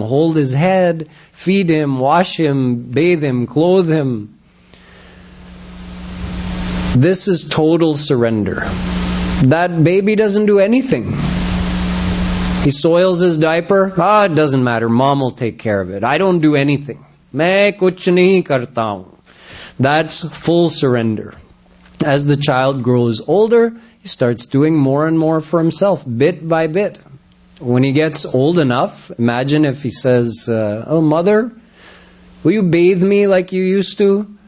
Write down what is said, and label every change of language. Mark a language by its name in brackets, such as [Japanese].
[English] Hold his head, feed him, wash him, bathe him, clothe him. This is total surrender. That baby doesn't do anything. He soils his diaper. It doesn't matter. Mom will take care of it. I don't do anything. [Hindi] मैं कुछ नहीं करता हूं. [English] That's full surrender. As the child grows older, he starts doing more and more for himself, bit by bit. When he gets old enough, imagine if he says, oh, mother, will you bathe me like you used to?